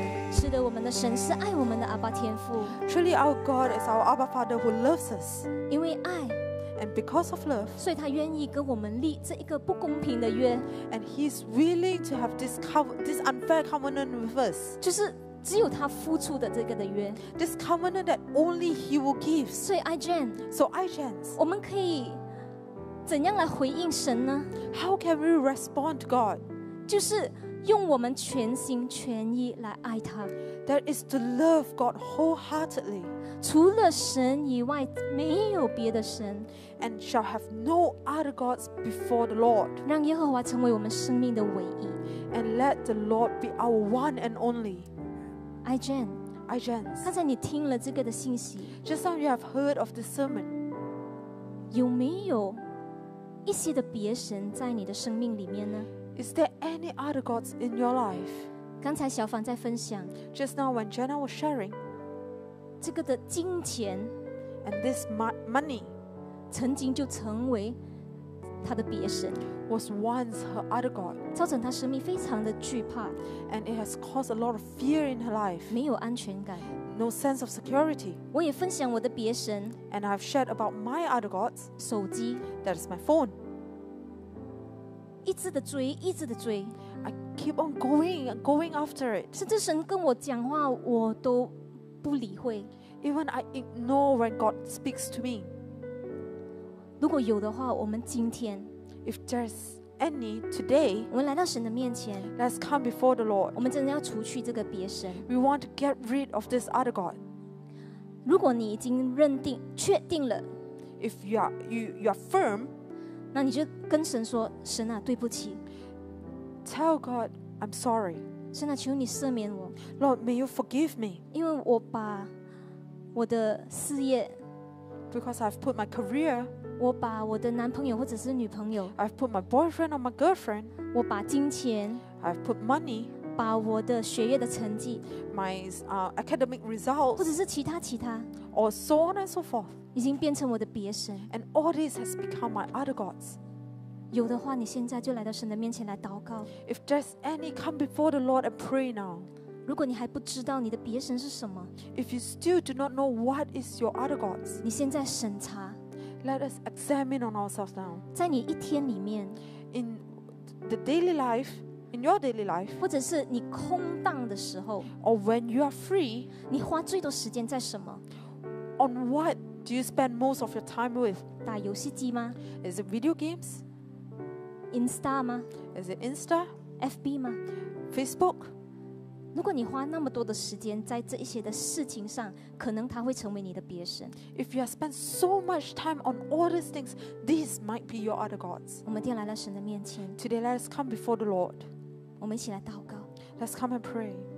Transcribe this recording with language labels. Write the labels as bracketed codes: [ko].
[zh] 是的，我们的神是爱我们的阿爸天父。 [en] Truly, our God is our Abba Father who loves us. [zh] 因为爱 [en] ，and because of love， [zh] 所以他愿意跟我们立这一个不公平的约。 [en] And He's willing to have this unfair covenant with us. [zh] 就是。只有他付出的这个的约 [en] ，this covenant that only he will give. [zh] 所以 I Jen，我们可以怎样来回应神呢 [en] ？How can we respond to God？ [zh] 就是用我们全心全意来爱他。 [en] That is to love God wholeheartedly. [zh] 除了神以外，没有别的神。 [en] And shall have no other gods before the Lord. [zh] 让耶和华成为我们生命的唯一。 [en] And let the Lord be our one and only. [zh] I Jen， 刚才你听了这个的信息 [en] ，Just now you have heard of the sermon， [zh] 有没有一些的别神在你的生命里面呢 [en] ？Is there any other gods in your life？ [zh] 刚才小凡在分享 [en] ，Just now when Jenna was sharing， [zh] 这个的金钱 [en] ，and this money， [zh] 曾经就成为他的别神。 [en] Was once her other god， [zh] 造成她生命非常的惧怕 [en] ，and it has caused a lot of fear in her life， [zh] 没有安全感 [en] ，no sense of security。 [zh] 我也分享我的别神 [en] ，and I've shared about my other gods， [zh] 手机 [en] ，that is my phone， [zh] 一直的追，一直的追 [en] ，I keep on going after it， [zh] 甚至神跟我讲话我都不理会 [en] ，even I ignore when God speaks to me。 [zh] 如果有的话，我们今天。 [en] If there's any today, [zh] 我们来到神的面前, [en] let's come before the Lord. [zh] 我们真的要除去这个别神。 [en] We want to get rid of this other God. [zh] 如果你已经认定,确定了, [en] if you are firm, [zh] 那你就跟神说,神啊,对不起。 [en] Tell God, I'm sorry. [zh] 神啊,求你赦免我。 [en] Lord, may you forgive me. [zh] 因为我把我的事业, [en] because I've put my career, [zh] 我把我的男朋友或者是女朋友 [en] I've put my boyfriend or my girlfriend [zh] 我把金钱 [en] I've put money [zh] 把我的学业的成绩 [en] My academic results [zh] 或者是其他 [en] Or so on and so forth [zh] 已经变成我的别神 [en] And all this has become my other gods [zh] 有的话你现在就来到神的面前来祷告 [en] If there's any come before the Lord and pray now [zh] 如果你还不知道你的别神是什么 [en] If you still do not know what is your other gods [zh] 你现在审查 [en] Let us examine on ourselves now. [zh] 在你一天里面 [en] in the daily life, in your daily life, [zh] 或者是你空档的时候 [en] or when you are free, [zh] 你花最多时间在什么 [en] on what do you spend most of your time with? [zh] 打游戏机吗 [en] is it video games? [zh] Insta 吗 [en] is it Insta? [zh] FB 吗 [en] Facebook? [zh] 如果你花那么多的时间在这一些的事情上可能它会成为你的别神 [en] If you have spent so much time on all these things these might be your other gods [zh] 我们今天来到神的面前 [en] Today let us come before the Lord [zh] 我们一起来祷告 [en] Let's come and pray